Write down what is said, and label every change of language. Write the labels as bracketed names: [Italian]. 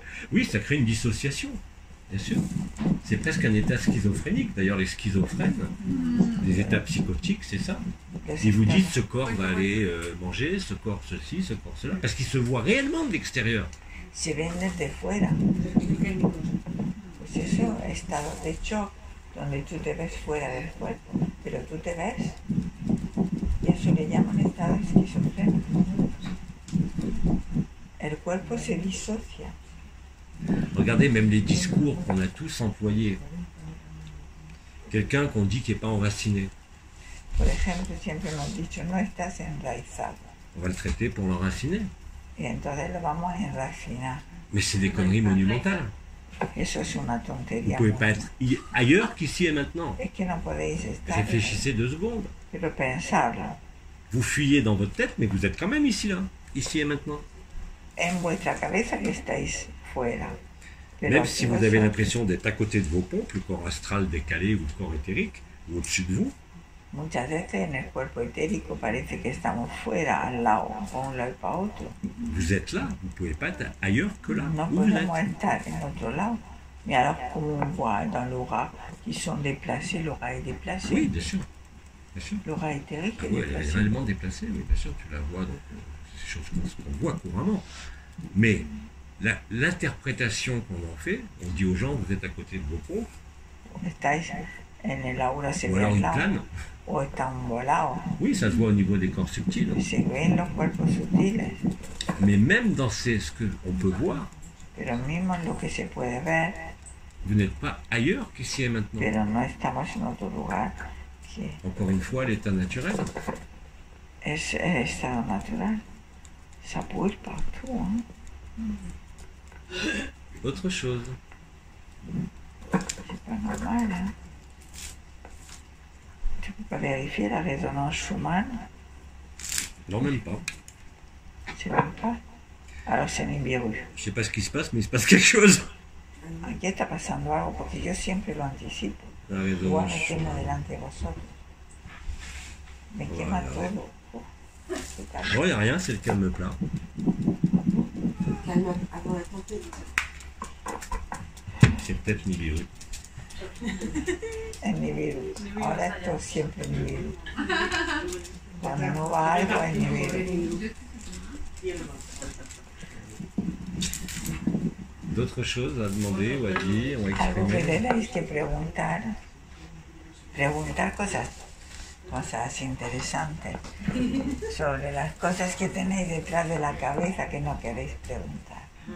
[French] Oui, ça crée une dissociation, bien sûr. C'est presque un état schizophrénique. D'ailleurs, les schizophrènes, les états psychotiques, c'est ça. Ils vous disent, ce corps va aller manger, ce corps ceci, ce corps cela. Parce qu'ils se voient réellement de l'extérieur. [Spanish] Se ven desde fuera. Pues eso, estado de choc, donde tú te ves fuera del cuerpo. Pero tú te ves. Y eso le llaman estado esquizofrénico. El cuerpo se disocia. [French] Regardez même les discours qu'on a tous employés. Quelqu'un qu'on dit qui n'est pas enraciné. Par exemple, [Spanish] siempre hemos dicho, no estás enraizado. [French] On va le traiter pour l'enraciner. [Spanish] Y entonces lo vamos a enracinar. [French] Mais c'est des conneries monumentales. [Spanish] Eso es una tontería. [French] Vous ne pouvez pas être ailleurs qu'ici et maintenant. [Spanish] Es que no podéis estar. [French] Réfléchissez deux secondes. [Spanish] Pero pensarlo. [French] Vous fuyez dans votre tête, mais vous êtes quand même ici là, ici et maintenant. [Spanish] En vuestra cabeza que estáis. [French] Même si vous avez l'impression d'être à côté de vos pompes, le corps astral décalé ou le corps éthérique, ou au-dessus de vous. [Spanish] Muchas veces en el cuerpo etérico parece que estamos fuera, al lado, un lado para otro. [French] Vous êtes là, vous ne pouvez pas être ailleurs que là. [Spanish] No podemos estar en otro lado. [French] Mais alors, comme on voit dans l'aura, qui sont déplacés, l'aura est déplacée. Oui, bien sûr. L'aura éthérique est déplacée. Oui, elle est réellement déplacée, oui, bien sûr, tu la vois, donc c'est des choses qu'on voit couramment. Mais. L'interprétation qu'on en fait, on dit aux gens, vous êtes à côté de vos pompes. Ou alors une plane. Ou un volado. Oui, ça se voit au niveau des corps subtils. [Spanish] Se ven los cuerpos sutiles. [French] Mais même dans ce qu'on peut voir, [Spanish] pero mismo lo que se puede ver, [French] Vous n'êtes pas ailleurs qu'ici et maintenant. [Spanish] Pero no estamos en otro lugar que... [French] Encore une fois, l'état naturel. [Spanish] Es el estado natural. [French] Ça bouge partout. Hein? Autre chose. C'est pas normal. Hein? Tu peux pas vérifier la résonance Schumann? Non, même pas. C'est même pas. Alors c'est une virus. Je sais pas ce qui se passe, mais il se passe quelque chose. [Spanish] Aquí está pasando algo porque yo siempre lo anticipo. La resonancia. Voy a meterme delante de vosotros. Me quema todo. [French] Je vois, il n'y a rien, c'est le calme plat. Calme avant la tempête. C'est peut-être Nibiru. Nibiru. En fait, c'est toujours Nibiru. Quand on va à l'eau, c'est Nibiru. D'autres choses à demander ou à dire ou à exprimer. [Spanish] Algo que tenéis que preguntar. Preguntar cosas. Cosas interesantes sobre las cosas que tenéis detrás de la cabeza que no queréis preguntar.